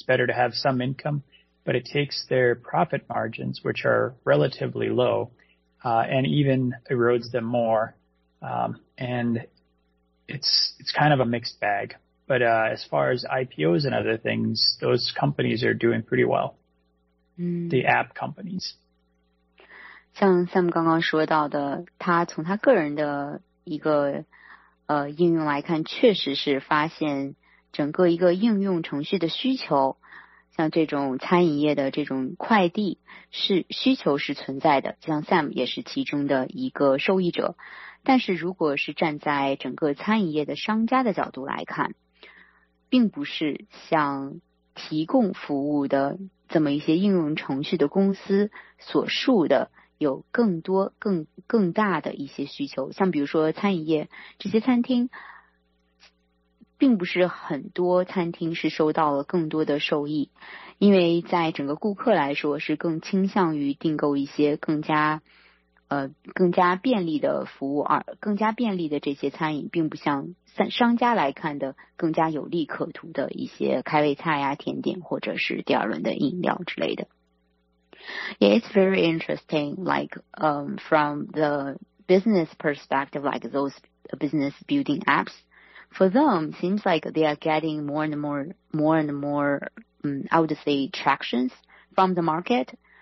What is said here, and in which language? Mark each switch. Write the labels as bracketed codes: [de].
[en] It's better to have some income, but it takes their profit margins, which are relatively low, and even erodes them more. And it's kind of a mixed bag. But as far as IPOs and other things, those companies are doing pretty well. The app companies. [zh] 像 Sam 刚刚说到的，他从他个人的一个应用来看，确实是发现整个一个应用程序的需求，像这种餐饮业的这种快递是需求是存在的，像 Sam 也是其中的一个受益者。但是如果是站在整个餐饮业的商家的角度来看，并不是像提供服务的这么一些应用程序的公司所述的有更多更大的一些需求，像比如说餐饮业这些餐厅，并不是很多餐厅是收到了更多的受益，因为在整个顾客来说是更倾向于订购一些更加便利的服务，而更加便利的这些餐饮并不像商家来看的更加有利可图的一些开胃菜呀、甜点或者是第二轮的饮料之类的。 [en] Yeah, it's very interesting, like, from the business perspective, like those business building apps, for them, seems like they are getting more and more, I would say, tractions from the market.